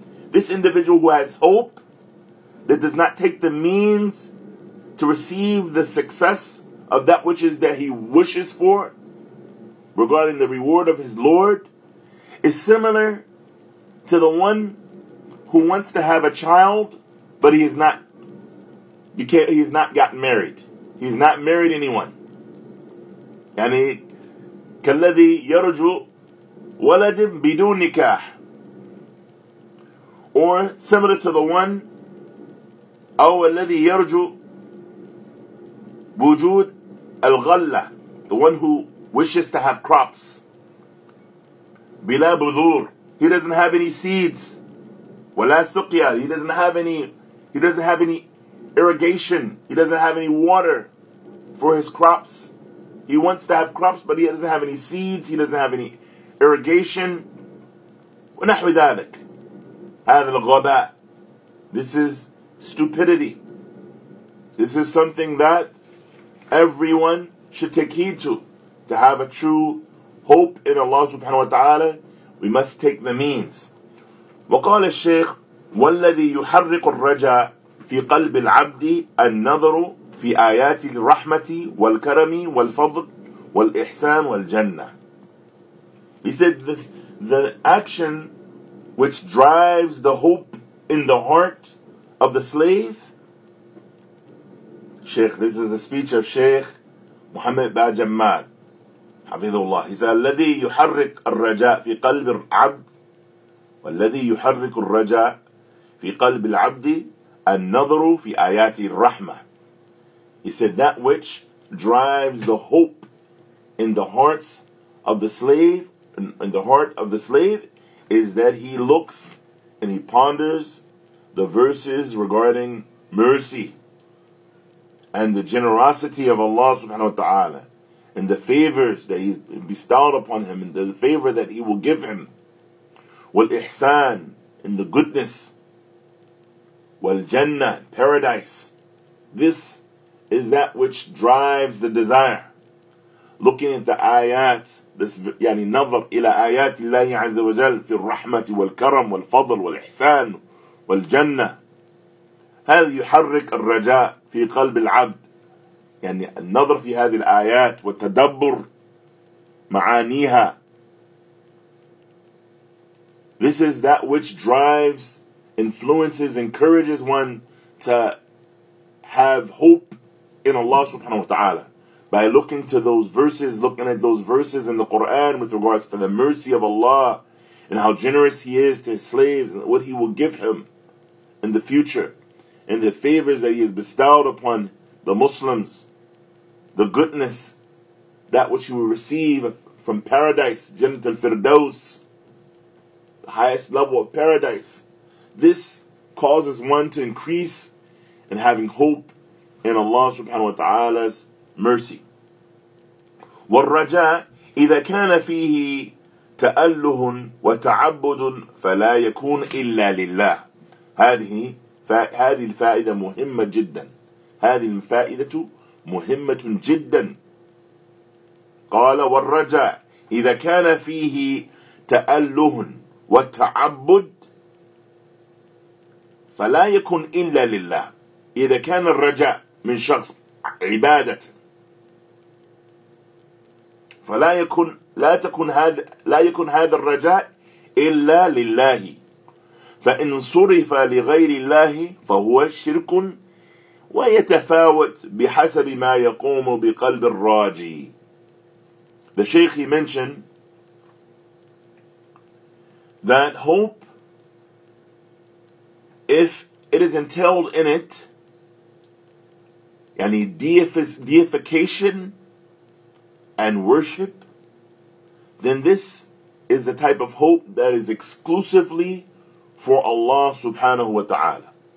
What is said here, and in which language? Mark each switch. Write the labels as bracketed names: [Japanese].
[English] This individual who has hope, that does not take the means to receive the success of that which is that he wishes for regarding the reward of his Lord, is similar to the one who wants to have a child, but he has not gotten married. He's not married anyone. [Arabic] يعني كالذي يرجو ولد بدون نكاح. [English] Or similar to the one, [Arabic] أو الذي يرجو وجود الغلة, [English] the one who wishes to have crops. [Arabic] بلا بذور, [English] he doesn't have any seeds. [Arabic] ولا سقيا, [English] he doesn't have any irrigation. He doesn't have any water for his crops. He wants to have crops, but he doesn't have any seeds. He doesn't have any irrigation. [Arabic] ونحو ذلك. هذا الغباء. [English] This is stupidity. This is something that everyone should take heed to have a true hope in Allah subhanahu wa ta'ala. We must take the means. [Arabic] وقال الشيخ والذي يحرق الرجاء في قلب العبد النظر في آيات الرحمة والكرم والفضل والإحسان والجنة. [English] He said the action which drives the hope in the heart of the slave. Sheikh, this is the speech of Sheikh Muhammad Ba Jamal, Hafidhullah. He said, [Arabic] الذي يحرك الرجاء في قلب العبد والذي يحرك الرجاء في قلب العبد النظر في آيات الرحمة. [English] He said, that which drives the hope in the hearts of the slave, in the heart of the slave, is that he looks and he ponders the verses regarding mercy and the generosity of Allah subhanahu wa ta'ala and the favors that he's bestowed upon him and the favor that he will give him. [Arabic] Wal ihsan, [English] and the goodness. [Arabic] Wal jannah, [English] paradise. This is that which drives the desire. Looking at the ayat, this [Arabic] يعني نظر إلى آيات الله عز وجل في الرحمة والكرم والفضل والإحسان والجنة. هل يحرك الرجاء في قلب العبد؟ يعني النظر في هذه الآيات والتدبر معانيها. [English] This is that which drives, influences, encourages one to have hope in Allah subhanahu wa ta'ala. By looking at those verses in the Qur'an with regards to the mercy of Allah and how generous He is to His slaves and what He will give him in the future and the favors that He has bestowed upon the Muslims, the goodness, that which He will receive from paradise, Jannat al-Firdaus, the highest level of paradise. This causes one to increase in having hope in Allah subhanahu wa ta'ala's mercy. [Arabic] والرجاء إذا كان فيه تأله وتعبد فلا يكون إلا لله. هذه الفائدة مهمة جدا. هذه الفائدة مهمة جدا. قال والرجاء إذا كان فيه تأله وتعبد فلا يكون إلا لله. إذا كان الرجاء من شخص عبادة فلا يكون لا تكون هذا لا يكون هذا الرجاء إلا لله، فإن صرف لغير الله فهو شرك ويتفاوت بحسب ما يقوم بقلب الراجي. [English] The Sheikh, he mentioned that hope, if it is entailed in it, yani deification and worship, then this is the type of hope that is exclusively for Allah subhanahu wa ta'ala.